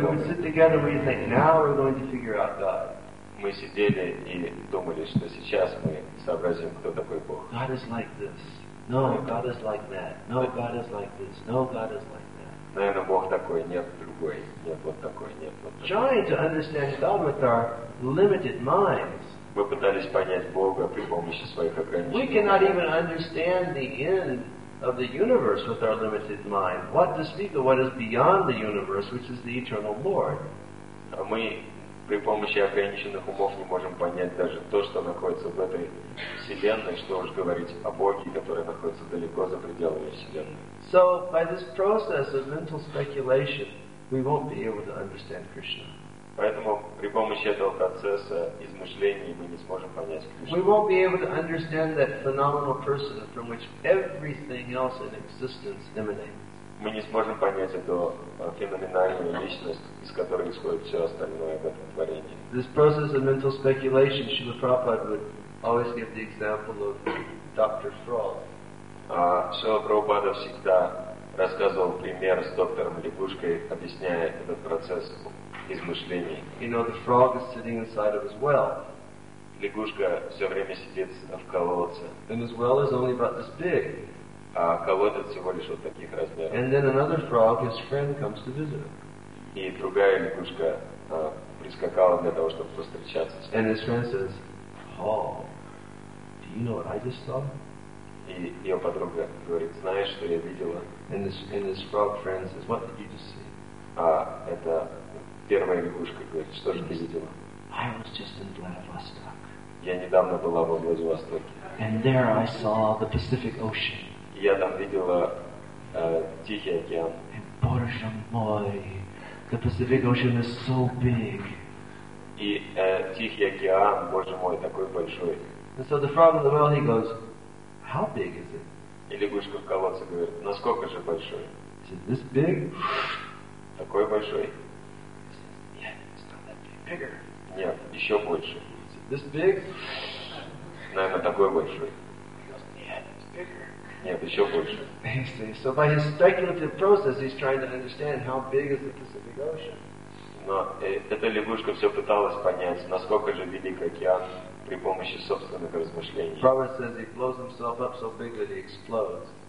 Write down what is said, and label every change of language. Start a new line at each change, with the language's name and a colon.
English: We would sit together and we'd think, now we're going to figure out God.
Russian: Мы сидели и думали, что сейчас мы сообразим, кто такой Бог.
English: God is like this. No, God is like that. No, God is like this. No, God is like that.
Russian: Наверное, Бог такой, нет другой, нет вот такой, нет вот такой.
English: Trying to understand God with our limited minds.
Russian: Мы пытались понять Бога при помощи своих ограниченных.
English: We cannot even understand the end of the universe with our limited mind. What to speak of what is beyond the universe, which is the eternal Lord.
Russian: А мы при помощи ограниченных умов не можем понять даже то, что находится в этой вселенной, что уж говорить о Боге, который находится далеко за пределами вселенной.
English: So by this process of mental speculation, we won't be able to understand Krishna.
Russian: Поэтому при помощи этого процесса измышлений мы не сможем понять Кришну.
English: We won't be able to understand that phenomenal person from which everything else in existence emanates.
Russian: Мы не сможем понять эту феноменальную личность, из которой исходит все остальное в этом творении.
English: This process of mental speculation, Srila Prabhupada would always give the example of Dr. Frog.
Russian: Srila Prabhupada всегда рассказывал пример с доктором лягушкой, объясняя этот процесс измышлений.
English: You know, the frog is sitting inside of his well.
Russian: Лягушка все время сидит в колодце.
English: And his well is only about this big.
Russian: А колодец всего лишь вот таких размеров.
English: And then another frog, his friend, comes to visit him.
Russian: И другая лягушка прискакала для того, чтобы повстречаться с ним.
English: And his friend says, Paul, do you know what I just saw?
Russian: И ее подруга говорит, знаешь, что я видела?
English: And this frog friend says, what did you just see?
Russian: А это первая лягушка говорит, что же ты видела?
English: I was just in Vladivostok.
Russian: Я недавно была во Владивостоке.
English: And there I saw the Pacific Ocean.
Russian: Я там видела Тихий океан.
English: And
Russian: Боже мой,
English: the Pacific Ocean is so big.
Russian: И Тихий океан, Боже мой, такой большой.
English: And so the frog in the well, he goes, how big is it?
Russian: И лягушка в колодце говорит, насколько же большой?
English: He said, this big?
Russian: Такой большой.
English: He said, yeah, it's not that big. Bigger.
Russian: Нет, еще больше.
English: He said, this big?
Russian: Наверное, такой большой.
English: He goes, yeah, it's bigger.
Russian: Нет, еще больше.
English: So by his speculative process, he's trying to understand how big is the Pacific Ocean.
Russian: Но эта лягушка все пыталась понять, насколько же велик океан при помощи собственных размышлений.
English: Prabhupada says he blows himself up so big that he explodes.